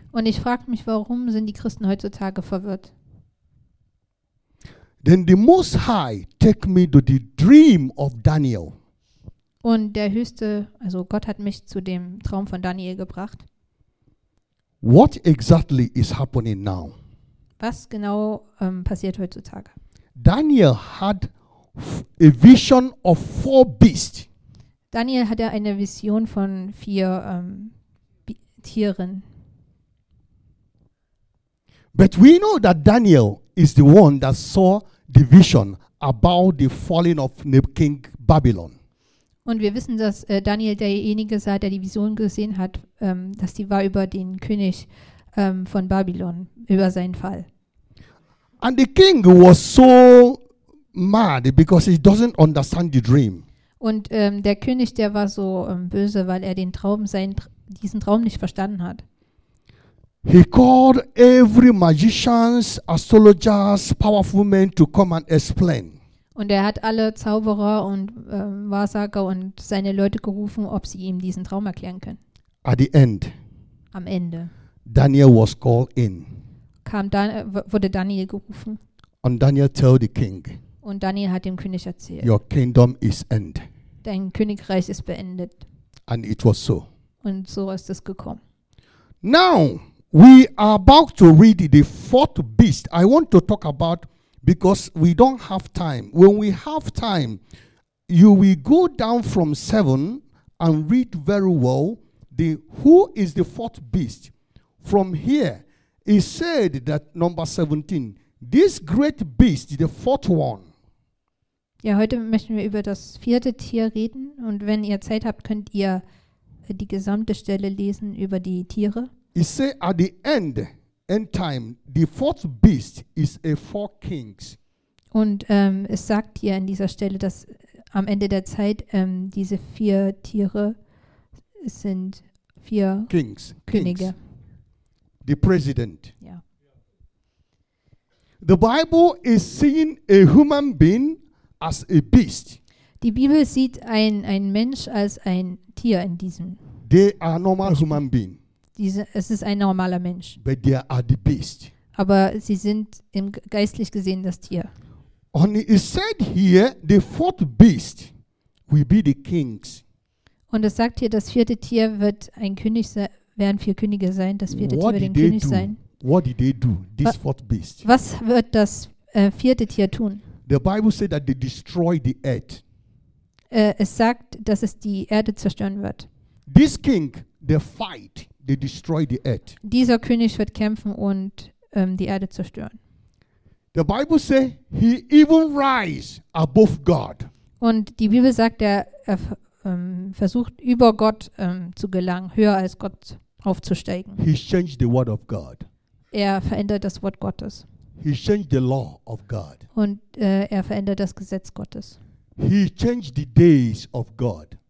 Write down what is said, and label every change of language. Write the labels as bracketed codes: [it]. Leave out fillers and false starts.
[de] Und ich frage mich, warum sind die Christen heutzutage verwirrt? [en] Then the Most High take me to the dream of Daniel. [de] Und der Höchste, also Gott, hat mich zu dem Traum von Daniel gebracht. [en] What exactly is happening now? [de] Was genau passiert heutzutage? [en] Daniel had a vision of 4 beasts. [de] Daniel hatte eine Vision von 4 Tieren. [en] But we know that Daniel is the one that saw the vision about the falling of King Babylon. [de] Und wir wissen, dass Daniel derjenige sei, der die Vision gesehen hat, dass die war über den König von Babylon, über seinen Fall. [en] And the king was so mad because he doesn't understand the dream. [de] Und der König, der war so böse, weil er diesen Traum nicht verstanden hat. [en] He called every magicians, astrologers, powerful men to come and explain. [de] Und er hat alle Zauberer und Wahrsager und seine Leute gerufen, ob sie ihm diesen Traum erklären können. [en] At the end. [de] Am Ende. [en] Daniel was called in. [de] Wurde Daniel gerufen. [en] And Daniel told the king. [de] Und Daniel hat dem König erzählt. [en] Your kingdom is end. [de] Dein Königreich ist beendet. [en] And it was so. [de] Und so ist es gekommen. [en] Now we are about to read the 4th beast. I want to talk about. Because we don't have time. When we have time, you will go down from 7 and read very well the who is the 4th beast. From here, it said that number 17, this great beast, the 4th one. [de] Ja, heute möchten wir über das vierte Tier reden. Und wenn ihr Zeit habt, könnt ihr die gesamte Stelle lesen über die Tiere. [en] It said at the end. End time, the 4th beast is a 4 kings. [de] Und es sagt hier an dieser Stelle, dass am Ende der Zeit diese 4 Tiere sind 4 [en] kings. [de] Könige. [en] Kings. The president. Yeah. The Bible is seeing a human being as a beast. [de] Die Bibel sieht ein Mensch als ein Tier in diesem. [en] They are normal human beings. [de] Es ist ein normaler Mensch. [en] But they are the beast. [de] aber sie sind im geistlich gesehen das Tier. [en] And it is said here, the fourth beast will be the kings. [de] Und es sagt hier, das vierte Tier wird ein König sein, werden vier Könige sein, das vierte Tier wird ein König sein. [en] What did they do, this fourth beast? [de] Was wird das vierte Tier tun? [en] The Bible said that they destroy the earth. [de] Es sagt, dass es die Erde zerstören wird. [en] This king, they fight, they destroy the earth. [de] Dieser König wird kämpfen und die Erde zerstören. [en] The Bible say he even rise above God. [de] Und die Bibel sagt, er versucht über Gott zu gelangen, höher als Gott aufzusteigen. [en] He changed the word of God. [de] Er verändert das Wort Gottes. [en] He changed the law of God. [de] Und er verändert das Gesetz Gottes. [en] He changed the days of God.